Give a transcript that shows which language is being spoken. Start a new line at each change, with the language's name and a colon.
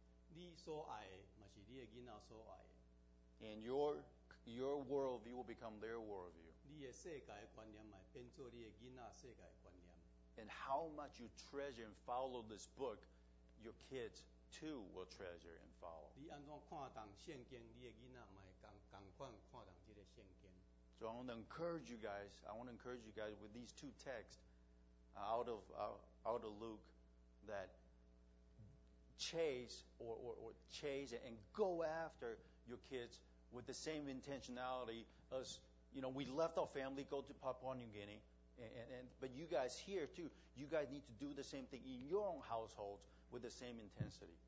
Min Nan Chinese: 你所爱的也是你的孩子所爱的。
English: And your worldview will become their worldview.
Min Nan Chinese: 你的世界观念也变作你的孩子世界观念。
English: And how much you treasure and follow this book, your kids too will treasure and follow.
Min Nan Chinese: 你安怎看重圣经，你的孩子也会同样看重这个圣经。
English: So I want to encourage you guys. I want to encourage you guys with these two texts. Out of Luke, that chase and go after your kids with the same intentionality as, you know, we left our family, go to Papua New Guinea, but you guys here too, you guys need to do the same thing in your own households with the same intensity.